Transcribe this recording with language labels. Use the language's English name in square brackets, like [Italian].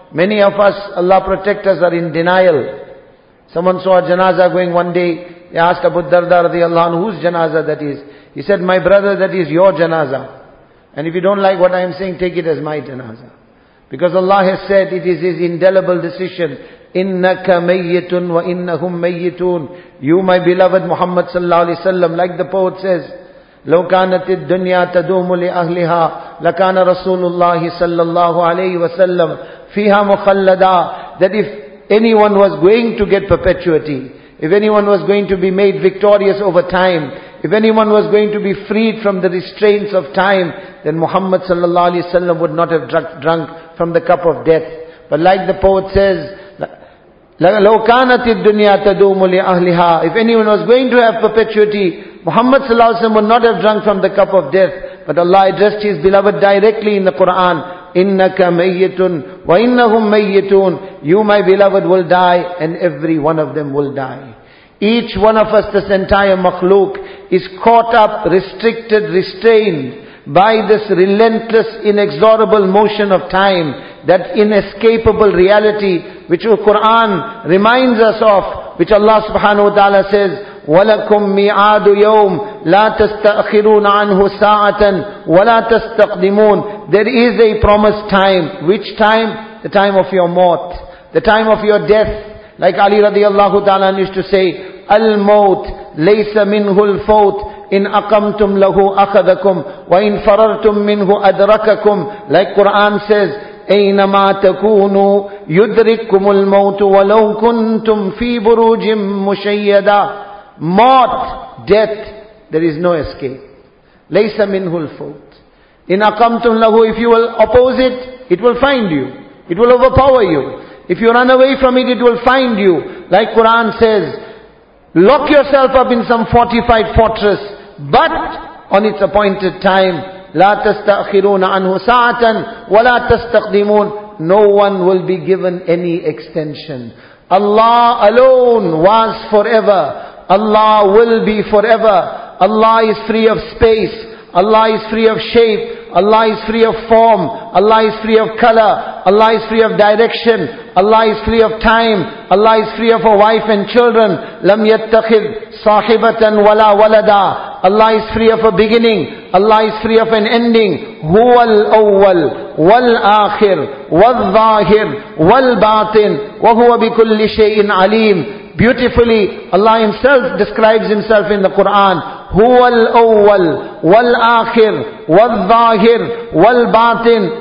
[English] Many of us, Allah protect us, are in denial. Someone saw a janazah going one day. They asked Abu Darda radiallahu anhu, whose janazah that is? He said, my brother, that is your janazah. And if you don't like what I am saying, take it as my janazah. Because Allah has said, it is His indelible decision. [Arabic] Innaka mayyitun wa innahum mayyitun. [English] You, my beloved Muhammad sallallahu alaihi wasallam, like the poet says, [Arabic] لو كانت الدنيا تدوم لأهلها لكان رسول الله صلى الله عليه وسلم فيها مخلدا. [English] That if anyone was going to get perpetuity, if anyone was going to be made victorious over time, if anyone was going to be freed from the restraints of time, then Muhammad صلى الله عليه وسلم would not have drunk from the cup of death. But like the poet says, [Arabic] لو كانت الدنيا تدوم لأهلها, [English] if anyone was going to have perpetuity, Muhammad sallallahu alaihi wasallam would not have drunk from the cup of death. But Allah addressed His beloved directly in the Quran. [Arabic] Innaka mayyitun wa innahum mayyitun. [English] You, my beloved, will die, and every one of them will die. Each one of us, this entire makhluk, is caught up, restricted, restrained by this relentless, inexorable motion of time, that inescapable reality which the Quran reminds us of, which Allah subhanahu wa ta'ala says, [Arabic] وَلَكُمْ مِعَادُ يَوْمٍ لَا تَسْتَأْخِرُونَ عَنْهُ سَاعَةً وَلَا تَسْتَقْدِمُونَ. [English] There is a promised time. Which time? The time of your maut. The time of your death. Like Ali radiallahu ta'ala used to say, [Arabic] الموت ليس منه الفوت إن أقمتم له أخذكم وإن فررتم منه أدرككم. [English] Like Quran says, [Arabic] أَيْنَمَا تَكُونُوا يُدْرِكُمُ الْمَوْتُ وَلَوْ كُنْتُمْ فِي بُرُوجٍ مُشَيَّدًا. [English] Mort, death, there is no escape. [Arabic] Laysa minhul fawt. In akamtum lahu, [English] if you will oppose it, it will find you. It will overpower you. If you run away from it, it will find you. Like Quran says, lock yourself up in some fortified fortress, but on its appointed time, [Arabic] la tastakhiruna anhu sa'atan wa la tastaqdimun. [English] No one will be given any extension. Allah alone was forever. Allah will be forever. Allah is free of space. Allah is free of shape. Allah is free of form. Allah is free of color. Allah is free of direction. Allah is free of time. Allah is free of a wife and children. [Arabic] لم يتخذ صاحبة ولا ولدا. [English] Allah is free of a beginning. Allah is free of an ending. [Arabic] هو الأول والآخر والظاهر والباطن وهو بكل شيء عليم. [English] Beautifully, Allah Himself describes Himself in the Quran. [Arabic] هو الأول والآخر والظاهر والباطن.